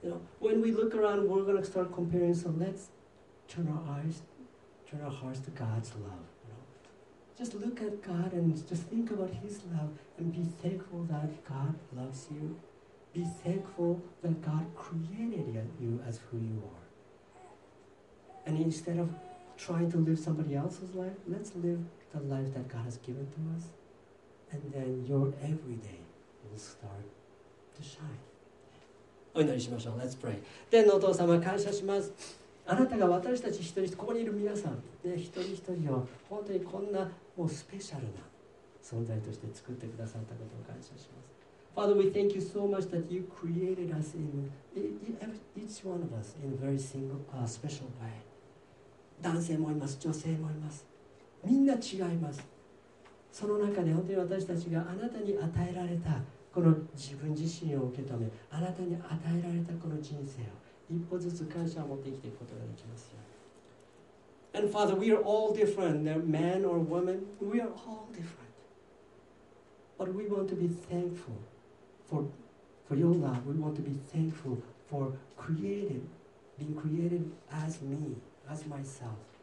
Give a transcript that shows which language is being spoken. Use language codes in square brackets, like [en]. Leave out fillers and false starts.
[en] You know, when we look around, we're going to start comparing. So let's turn our eyes, turn our hearts to God's love. You know? Just look at God and just think about His love and be thankful that God loves you. Be thankful that God created you as who you are. And instead of trying to live somebody else's life, let's live the life that God has given to us. And then your everyday will start to shine. [ja] お祈りしましょう。 [en] Let's pray. [ja] 天のお父様、感謝します。あなたが私たち一人一人、ここにいる皆さん、ね、一人一人を本当にこんなもうスペシャルな存在として作ってくださったことを感謝します。 [en] Father, we thank you so much that you created us in each one of us in a very single, special way. [ja] 男性もいます、女性もいます。みんな違います。その中で本当に私たちがあなたに与えられたこの自分自身を受け止め、あなたに与えられたこの人生を一歩ずつ感謝を持って生きていくことができますよ。 [en] And Father, we are all different, man or woman. We are all different. But we want to be thankful for your love. We want to be thankful for being created as me, as myself.